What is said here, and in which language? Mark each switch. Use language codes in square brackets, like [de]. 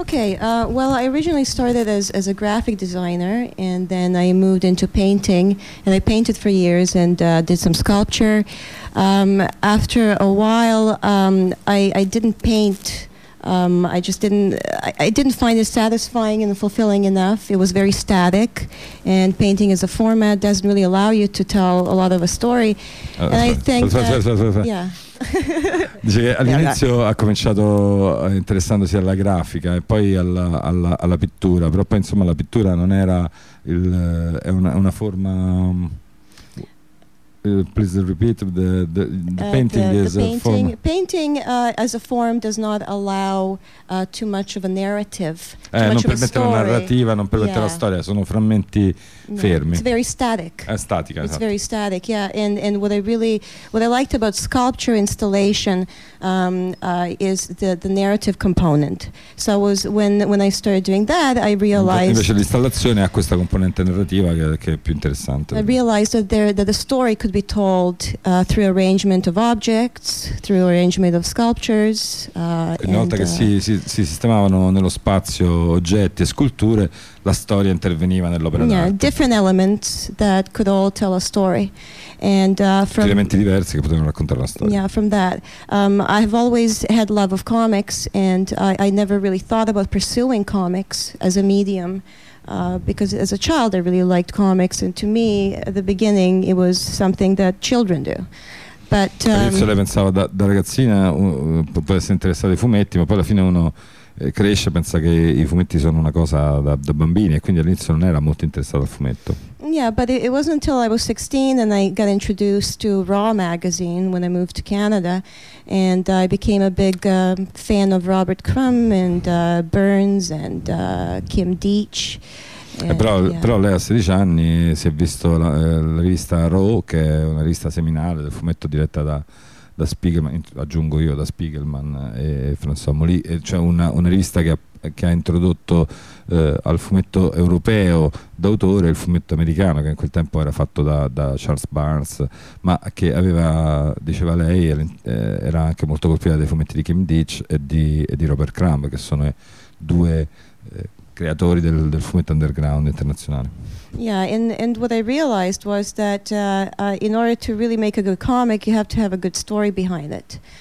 [en] Okay, well, I originally started as a graphic designer, and then I moved into painting, and I painted for years and did some sculpture. After a while, I didn't paint. I didn't find it satisfying and fulfilling enough. It was very static, and painting as a format doesn't really allow you to tell a lot of a story. And I think [it] all'inizio ha cominciato interessandosi alla grafica e poi alla pittura, però poi insomma la pittura non era è una forma. [en] Please repeat the painting is a form. Painting as a form does not allow too much of a narrative. [it] Non permette la narrativa, non permette la storia, sono frammenti fermi. [en] It's very static. It's very static, yeah. And what I liked about sculpture installation is the narrative component. So it was when I started doing that, I realized. [it] Invece l'installazione ha questa componente narrativa che è più interessante. [en] I realized that the story could be told through arrangement of objects, through arrangement of sculptures. [it] Una volta che si sistemavano nello spazio oggetti e sculture, la storia interveniva nell'opera d'arte. [en] Yeah, different elements that could all tell a story. And from [it] elementi diversi che potevano raccontare la storia. [en] Yeah, from that. I've always had love of comics, and I never really thought about pursuing comics as a medium. Because as a child I really liked comics, and to me at the beginning it was something that children do. But [it] all'inizio lei pensava da ragazzina può essere interessata ai fumetti, ma poi alla fine uno cresce, pensa che i fumetti sono una cosa da bambini, e quindi all'inizio non era molto interessata al fumetto. [en] Yeah, but it wasn't until I was 16 and I got introduced to Raw magazine when I moved to Canada, and I became a big fan of Robert Crumb and Burns and Kim Deitch. [it] Però lei a 16 anni si è visto la rivista Raw, che è una rivista seminale del fumetto diretta da Spiegelman, aggiungo io, da Spiegelman e François Molly, cioè una rivista che che ha introdotto al fumetto europeo d'autore il fumetto americano, che in quel tempo era fatto da Charles Barnes, ma che aveva, diceva lei, era anche molto colpita dai fumetti di Kim Ditch e di Robert Crumb, che sono due creatori del fumetto underground internazionale. [en] Yeah, and what I realized was that in order to really make a good comic, you have to have a good story behind it.